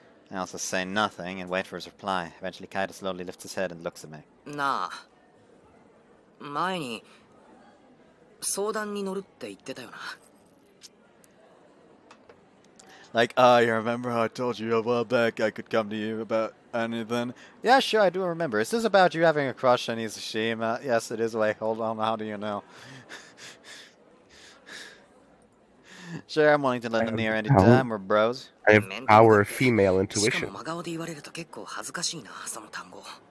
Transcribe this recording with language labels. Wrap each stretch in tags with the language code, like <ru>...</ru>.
<en>I also say nothing and wait for his reply. Eventually, Kaido slowly lifts his head and looks at me. Nah.</en> <ja>前に相談に乗るって言ってたよな。</ja> <en>Like, ah, you remember how I told you a while back I could come to you about anything? Yeah, sure, I do remember. Is this about you having a crush on Izushima? Yes, it is. Wait, hold on, how do you know? Sure, I'm willing to lend them here anytime, we're bros. I have our female intuition.</en> <ja>しかも真顔で言われると結構恥ずかしいな、その単語。</ja>